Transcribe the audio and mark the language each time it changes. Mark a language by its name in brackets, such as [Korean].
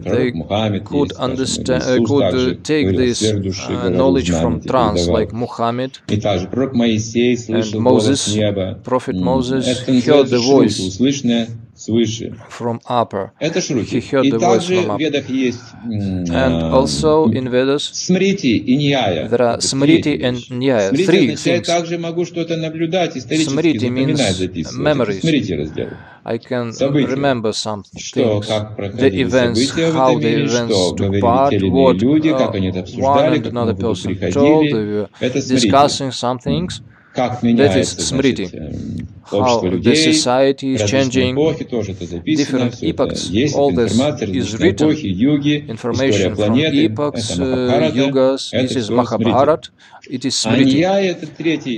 [English] They could take this knowledge from trance, like Muhammad. [Russian] И также пророк Моисей слышал голос с неба. [English] Prophet Moses heard the voice. [Russian] Услышанное свыше. [English] From upper. [Russian] Это шрути. [English] He heard the voice from upper. [Russian] И также в Ведах есть. [English] And also in Vedas. [Russian] Смрити и Ньяя. [English] There are Смрити and Ньяя. Three things. [Russian] Смрити, я также могу что-то наблюдать исторически, запоминать, записывать. [English] Memories. [Russian] Смрити раздел. [English] I can remember some things, the events, how the events took part, what one and another person told, they were discussing some things. That is Smriti, how the society is changing, different epochs, all this is written, information from epochs, yugas, this is Mahabharata, it is Smriti.